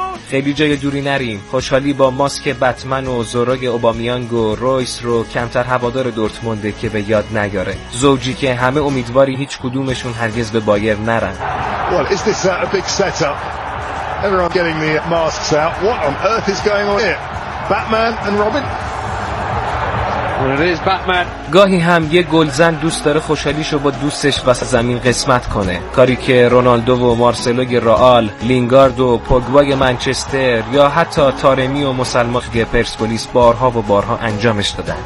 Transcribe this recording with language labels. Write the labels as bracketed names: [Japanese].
[Persian] خیلی جای دوری نریم، خوشحالی با ماسک بتمن و زوراگ اوبامیانگ و رویس رو کمتر هوادار دورتمونده که به یاد نیاره. زوجی که همه امیدواری هیچ کدومشون هرگز به بایر نرن. [English] Well, is this a big setup? Everyone getting the masks out. What on earth is going on here? Batman and Robin? [Persian] گاهی هم یه گلزن دوست داره خوشحالیشو با دوستش وسط زمین قسمت کنه، کاری که رونالدو و مارسلوی رئال، لینگارد و پوگوای منچستر یا حتی تارمی و مسلمانی پرسپولیس بارها و بارها انجامش دادن.